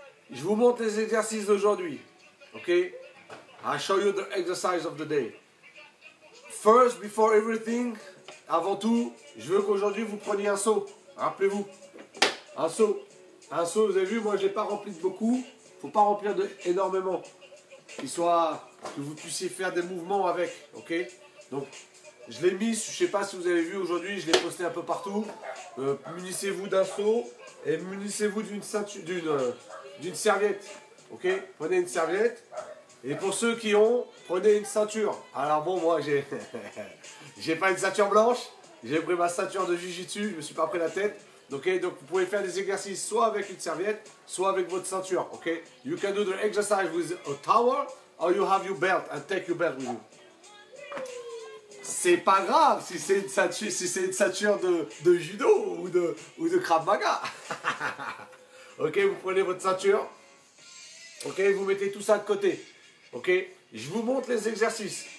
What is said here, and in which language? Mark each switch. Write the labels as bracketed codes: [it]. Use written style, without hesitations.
[fr] Je vous montre les exercices d'aujourd'hui. Ok. [en] I'll show you the exercise of the day. First, before everything, [fr] avant tout, je veux qu'aujourd'hui vous preniez un saut. Rappelez-vous. Un saut. Un saut, vous avez vu, moi je n'ai pas rempli de beaucoup. Il ne faut pas remplir de énormément. Qu'il soit, que vous puissiez faire des mouvements avec. Ok. Donc, je l'ai mis, je ne sais pas si vous avez vu aujourd'hui, je l'ai posté un peu partout. Munissez-vous d'un seau et munissez-vous d'une ceinture, d'une serviette. Ok. Prenez une serviette. Et pour ceux qui ont, prenez une ceinture. Alors bon, moi, j'ai j'ai pas une ceinture blanche. J'ai pris ma ceinture de jujitsu, je ne me suis pas pris la tête. Okay, donc vous pouvez faire des exercices soit avec une serviette, soit avec votre ceinture. Okay? [en] You can do the exercise with a towel or you have your belt and take your belt with you. [fr] C'est pas grave si c'est une ceinture, si c'est une ceinture de judo ou de Krav Maga. Okay, vous prenez votre ceinture. Okay, vous mettez tout ça de côté. Okay, je vous montre les exercices.